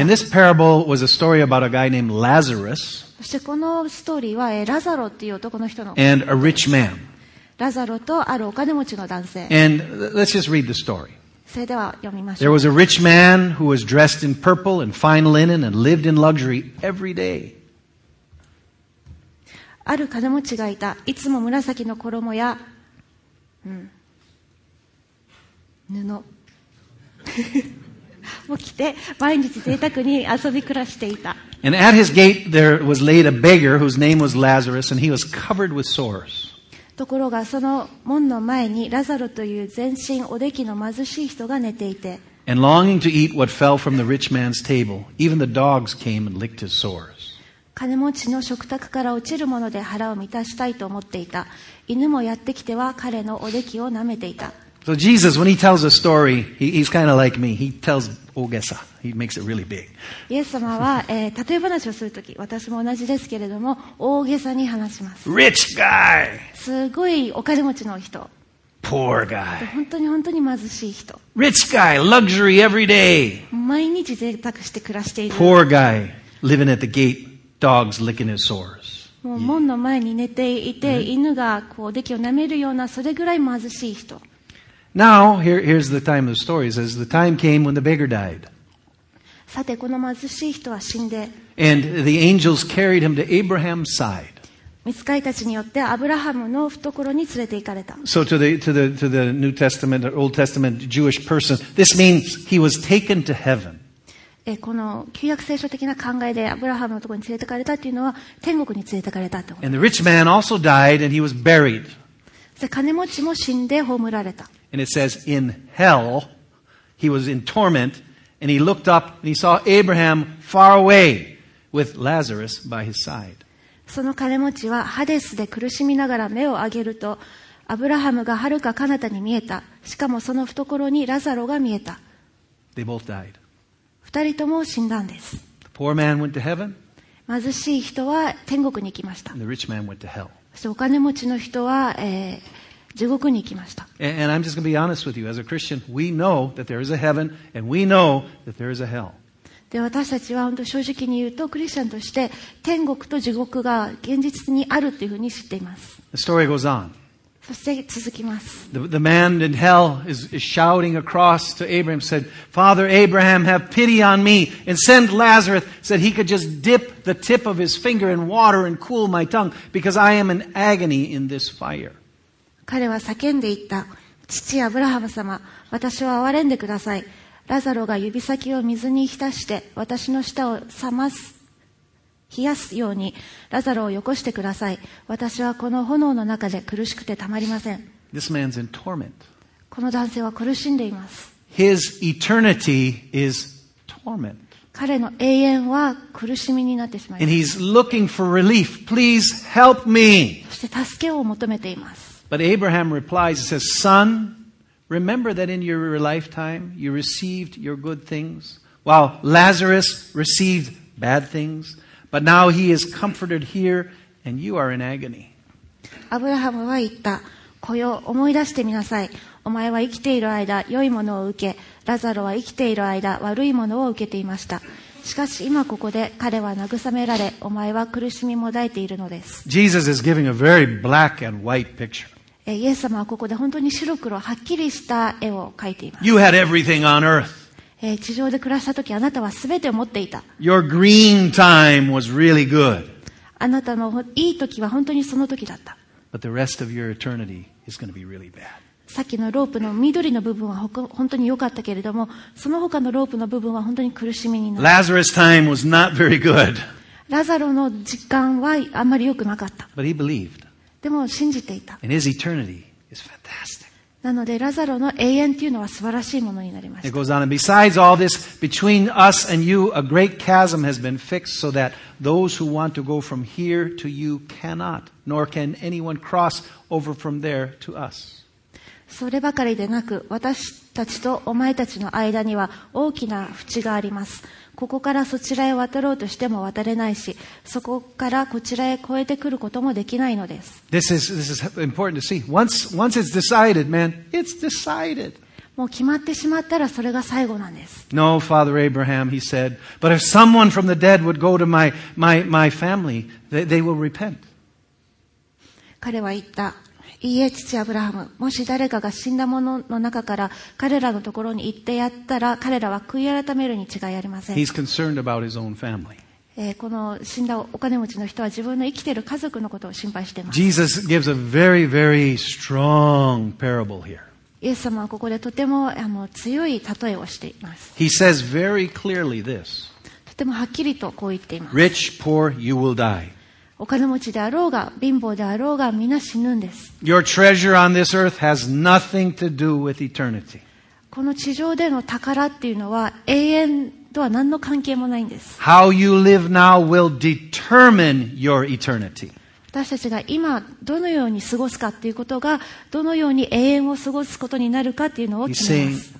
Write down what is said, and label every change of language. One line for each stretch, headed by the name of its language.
English: And this parable was a story about a guy named Lazarus.
Japanese: そしてこのストーリーは、ラザロっていう男の人の。
English: And a rich man.
Japanese: ラザロとあるお金持ちの男性。
English: And let's just read the story.
Japanese: それでは読みましょう。
English: There was a rich man who was dressed in purple and fine linen and lived in luxury every day.
Japanese: ある金持ちがいた。いつも紫の衣や、布を着て毎日贅沢に遊び暮らしていた。
English: And at his gate there was laid a beggar whose name was Lazarus and he was covered with sores.
Japanese: ところがその門の前にラザロという全身おできの貧しい人が寝ていて、
English: And longing to eat what fell from the rich man's table, even the dogs came and licked his sores.
Japanese: 金持ちの食卓から落ちるもので腹を満たしたいと思っていた。犬もやってきては彼のおできを舐めていた。
English: So Jesus, when he tells a story, he's kind of like me. He tells 大げさ。 He makes it really big.
Japanese: イエス様は、例え話をするとき、私も同じですけれども、大げさに話します。
English: Rich guy!
Japanese: すごいお金持ちの人。
English: Poor guy!
Japanese: 本当に本当に貧しい人。
English: Rich guy! Luxury every day!
Japanese: 毎日贅沢して暮らしている。
English: Poor guy! Living at the gate, dogs licking his sores.
Japanese: もう門の前に寝ていて、犬がこう、デキを舐めるような、それぐらい貧しい人。
English: Now, here's the time of the story. It says, the time came when the beggar died.
Japanese: さて、この貧しい人は死んで。
English: And the angels carried him to Abraham's side.
Japanese: 御使いたちによって、アブラハムの懐に連れて行かれた。
English: So to the New Testament, or Old Testament Jewish person, this means he was taken to heaven.
Japanese: この旧約聖書的な考えで、アブラハムのところに連れて行かれたというのは、天国に連れて行かれたと。
English: And the rich man also died and he was buried.
Japanese: 金持ちも死んで葬られた。
English: And it says, in hell, he was in torment, and he looked up and he saw Abraham far away with Lazarus by his side.
Japanese: その金持ちはハデスで苦しみながら目を上げると、アブラハムが遥か彼方に見えた。しかもその懐にラザロが見えた。
English: They both died.
Japanese: 二人とも死んだんです。
English: The poor man went to heaven.
Japanese: 貧しい人は天国に行きました。
English: And the rich man went to hell.
Japanese: そしてお金持ちの人は、地獄に行きました。
English: And I'm just going to be honest with you. As a Christian, we know that there is a heaven, and we know that there is a hell.
Japanese: で、私たちは本当正直に言うと、クリスチャンとして天国と地獄が現実にあるというふうに知っています。
English: The story goes on.
Japanese: そして続きます。
English: The man in hell is shouting across to Abraham, said, "Father Abraham, have pity on me and send Lazarus, said he could just dip the tip of his finger in water and cool my tongue because I am in agony in this fire."
Japanese: 彼は叫んでいった。父アブラハム様、私を憐れんでください。ラザロが指先を水に浸して、私の舌を冷ます、冷やすように、ラザロをよこしてください。私はこの炎の中で苦しくてたまりません。
English: This man's in torment.
Japanese: この男性は苦しんでいます。
English: His eternity is torment.
Japanese: 彼の永遠は苦しみになってしまいます。
English: And he's looking for relief. Please help me.
Japanese: そして助けを求めています。
English: But Abraham replies, he says, Son, remember that in your lifetime you received your good things, while Lazarus received bad things. But now he is comforted here, and you are in agony.
Japanese: Abraham は言った、子よ、思い出してみなさい。お前は生きている間、良いものを受け、ラザロは生きている間、悪いものを受けていました。しかし今ここで彼は慰められ、お前は苦しみもだいているのです。
English: Jesus is giving a very black and white picture.
Japanese: イエス様はここで本当に白黒はっきりした絵を描いています。
English: You had everything on earth.
Japanese: 地上で暮らした時あなたは全てを持っていた。
English: Your green time was really good.
Japanese: あなたのいい時は本当にその時だった。
English: But the rest of your eternity is going to be really bad.
Japanese: さっきのロープの緑の部分は本当に良かったけれども、その他のロープの部分は本当に苦しみになった。
English: Lazarus time was not very good.
Japanese: ラザロの時間はあんまり良くなかった。
English: But he believed.
Japanese: でも信じていた。
English: And his eternity is fantastic.
Japanese: なのでラザロの永遠というのは素晴らしいものになりました。
English: It goes on, and besides all this, between us and you, a great chasm has been fixed so that those who want to go from here to you cannot, nor can anyone cross over from there to us.
Japanese: そればかりでなく、私たちとお前たちの間には大きな淵があります。ここからそちらへ渡ろうとしても渡れないし、そこからこちらへ越えてくることもできないのです。
English: This is important to see. Once it's decided, man, it's decided.
Japanese: もう決まってしまったらそれが最後なんです。
English: No, Father Abraham, he said, but if someone from the dead would go to my family, they will repent.
Japanese: 彼は言った。いいえ、父アブラハム、もし誰かが死んだ者の中から彼らのところに行ってやったら、彼らは悔い改めるに違いありません。
English: He's concerned about his own family.
Japanese: この死んだお金持ちの人は自分の生きている家族のことを心配しています。
English: Jesus gives a very, very strong parable here.
Japanese: イエス様はここでとても強い例えをしています。
English: He says very clearly this.
Japanese: とてもはっきりとこう言っています。
English: Rich, poor, you will die.
Japanese: お金持ちであろうが貧乏であろうがみんな死ぬんです。
English: Your treasure on this earth has nothing to do with eternity.
Japanese: この地上での宝っていうのは永遠とは何の関係もないんです。
English: How you live now will determine your eternity.
Japanese: 私たちが今どのように過ごすかということが、どのように永遠を過ごすことになるかというのを決めます。